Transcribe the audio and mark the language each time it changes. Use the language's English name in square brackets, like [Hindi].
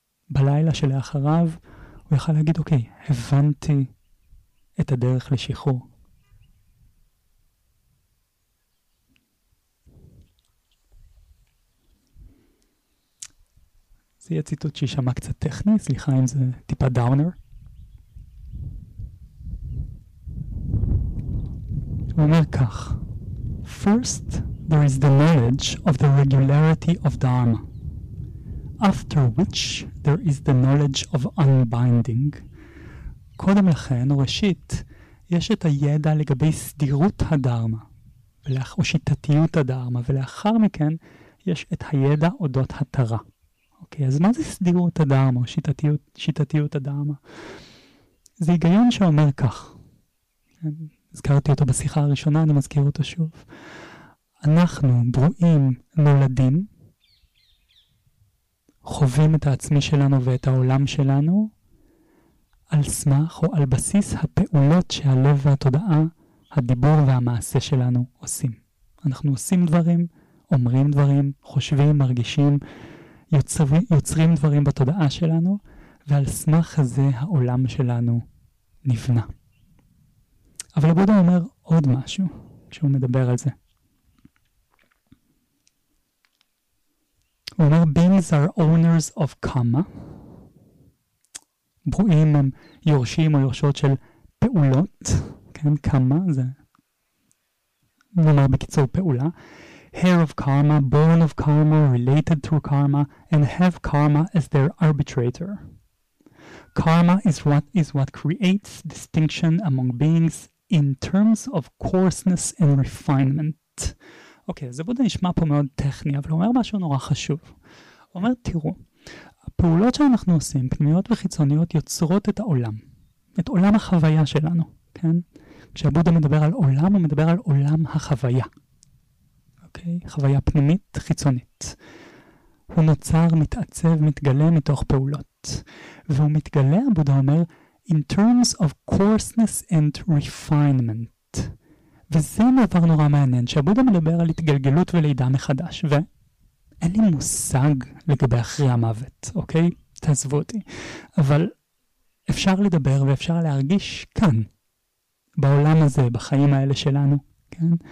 [Hebrew] בלילה שלאחריו, הוא יכל להגיד, אוקיי, הבנתי את הדרך לשחרור. זה יהיה ציטוט שישמע קצת טכני, סליחה אם זה טיפה דאונר. הוא אומר כך, [English] First, there is the knowledge of the regularity of Dharma. After which, there is the knowledge of unbinding. [Hebrew] קודם לכן, או ראשית, יש את הידע לגבי סדירות הדרמה, או שיטתיות הדרמה, ולאחר מכן, יש את הידע אודות התרה. אוקיי, אז מה זה סדירות הדרמה, או שיטתיות הדרמה? זה היגיון שאומר כך, הזכרתי אותו בשיחה הראשונה, אני מזכיר אותו שוב. אנחנו ברואים, נולדים, חווים את העצמי שלנו ואת העולם שלנו, על סמך או על בסיס הפעולות שהלב והתודעה, הדיבור והמעשה שלנו עושים. אנחנו עושים דברים, אומרים דברים, חושבים, מרגישים, יוצרים דברים בתודעה שלנו, ועל סמך הזה העולם שלנו נבנה. אבל הבודה אומר עוד משהו כשהוא מדבר על זה. הוא אומר, [English] beings are owners of karma. [Hebrew] ברואים הם יורשים או יורשות של פעולות. כן, karma זה, נאמר בקיצור, פעולה. [English] heir of karma, born of karma, related to karma, and have karma as their arbitrator. karma is what creates distinction among beings in terms of coarseness and refinement. [Hebrew] אוקיי, זה בודה נשמע פה מאוד טכני, אבל הוא אומר משהו נורא חשוב. הוא אומר, תראו, הפעולות שאנחנו עושים, פנימיות וחיצוניות, יוצרות את העולם, את עולם החוויה שלנו, כן? כשהבודה מדבר על עולם, הוא מדבר על עולם החוויה. אוקיי? חוויה פנימית, חיצונית. הוא נוצר, מתעצב, מתגלה מתוך פעולות. והוא מתגלה, הבודה אומר, [English] in terms of coarseness and refinement. [Hebrew] וזה מעבר נורא מעניין, שהבודה מדבר על התגלגלות ולידה מחדש, ואין לי מושג לגבי אחרי המוות, אוקיי? תעזבו אותי. אבל אפשר לדבר ואפשר להרגיש כאן, בעולם הזה, בחיים האלה שלנו, כן?